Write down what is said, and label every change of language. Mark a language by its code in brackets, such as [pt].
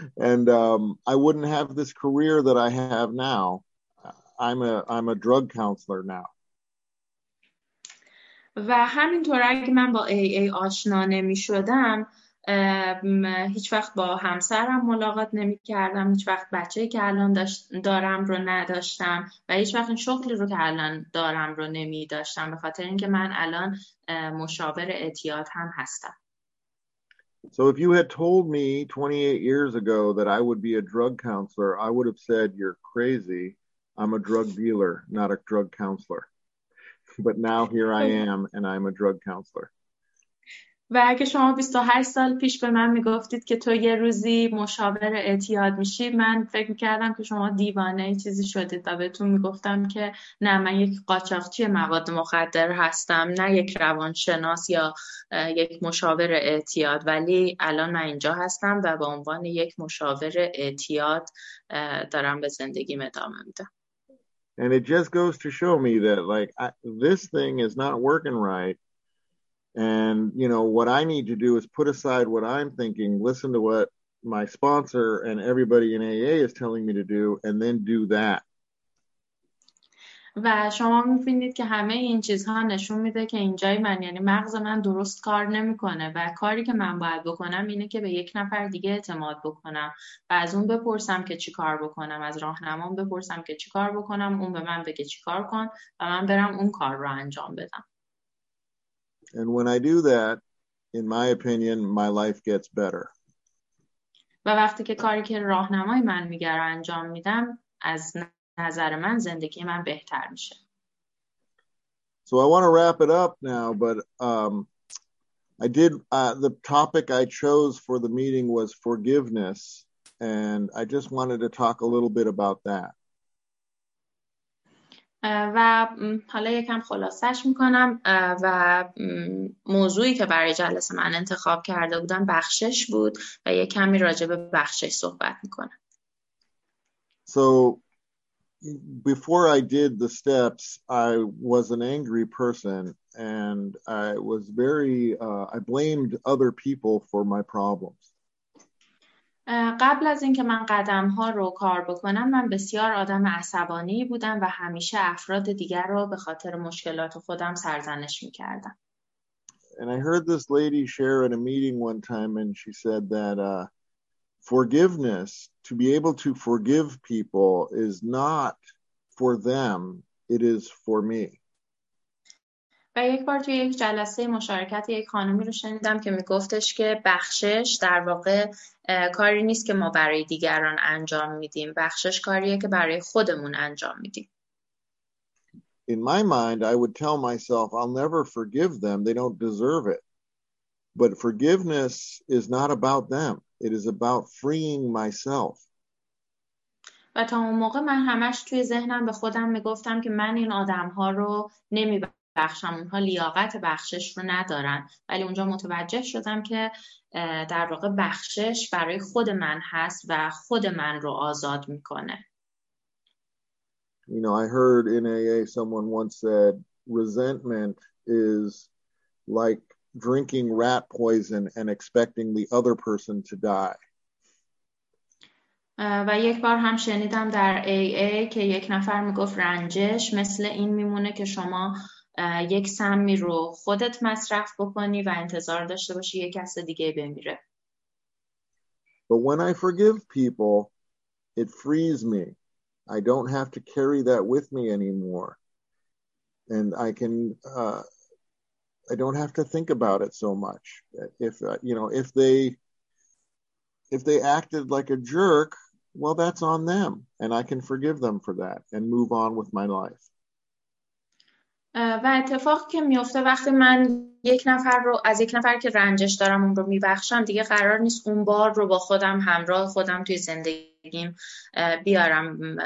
[en] and I wouldn't have this career that I have now. I'm a drug counselor now. [fa] و همینطور اگه من با AA آشنا نمی شدم، هیچ وقت با همسرم ملاقات نمی کردم، هیچ وقت بچه که الان دارم رو نداشتم و هیچ وقت شغلی رو که الان دارم رو نمی داشتم، به خاطر اینکه من الان مشاور اعتیاد هم هستم. [en] So if you had told me 28 years ago that I would be a drug counselor, I would have said you're crazy. I'm a drug dealer, not a drug counselor. But now here I am, and I'm a drug counselor. [fa] و اگه شما 28 سال پیش به من میگفتید که تو یه روزی مشاور اعتیاد میشی، من فکر میکردم که شما دیوانه ای چیزی شدید و بهتون میگفتم که نه، من یک قاچاقچی مواد مخدر هستم، نه یک روانشناس یا یک مشاور اعتیاد، ولی الان من اینجا هستم و به عنوان یک مشاور اعتیاد دارم به زندگیم ادامه میدم. [en] And it just goes to show me that, like, this thing is not working right. And, you know, what I need to do is put aside what I'm thinking, listen to what my sponsor and everybody in AA is telling me to do, and then do that. [fa] و شما میبینید که همه این چیزها نشون میده که اینجای من، یعنی مغز من درست کار نمیکنه و کاری که من باید بکنم اینه که به یک نفر دیگه اعتماد بکنم و از اون بپرسم که چی کار بکنم، از راهنمام بپرسم که چی کار بکنم، اون به من بگه چی کار کن و من برم اون کار رو انجام بدم. [en] And when I do that, in my opinion, my life gets better. [fa] و وقتی که کاری که راهنمای من میگه رو انجام میدم، از نظر من زندگی من بهتر میشه. [en] So I want to wrap it up now, but I did the topic I chose for the meeting was forgiveness, and I just wanted to talk a little bit about that. [fa] و حالا یکم خلاصش میکنم و موضوعی که برای جلسه من انتخاب کرده بودم بخشش بود و یکمی راجع به بخشش صحبت میکنم. [en] So before I did the steps, I was an angry person and I was very, I blamed other people for my problems. [fa] قبل از اینکه من قدم ها رو کار بکنم، من بسیار آدم عصبانی بودم و همیشه افراد دیگر رو به خاطر مشکلات خودم سرزنش می کردم. [en] And I heard this lady share at a meeting one time and she said that forgiveness, to be able to forgive people, is not for them, it is for me. [fa] و یک بار توی یک جلسه مشارکت یک خانمی رو شنیدم که میگفتش که بخشش در واقع کاری نیست که ما برای دیگران انجام میدیم، بخشش کاریه که برای خودمون انجام میدیم. [en] In my mind, I would tell myself, I'll never forgive them, they don't deserve it. But forgiveness is not about them, it is about freeing myself. [fa] و تا اون موقع من همش توی ذهنم به خودم میگفتم که من این آدم ها رو نمیبخشم، اونها لیاقت بخشش رو ندارن، ولی اونجا متوجه شدم که در واقع بخشش برای خود من هست و خود من رو آزاد میکنه. [en] You know, I heard in AA someone once said resentment is like drinking rat poison and expecting the other person to die. [fa] و یک بار هم شنیدم در AA که یک نفر میگفت رنجش مثل این میمونه که شما یک سمی رو خودت مصرف بکنی و انتظار داشته باشی یک کس دیگه بمیره. [en] But when I forgive people, it frees me. I don't have to carry that with me anymore. And I can I don't have to think about it so much. If you know, if they acted like a jerk, well, that's on them and I can forgive them for that and move on with my life. [fa] و اتفاقی که میفته وقتی من یک نفر که رنجش دارم اون رو میبخشم، دیگه قرار نیست اون بار رو با خودم همراه خودم توی زندگیم بیارم.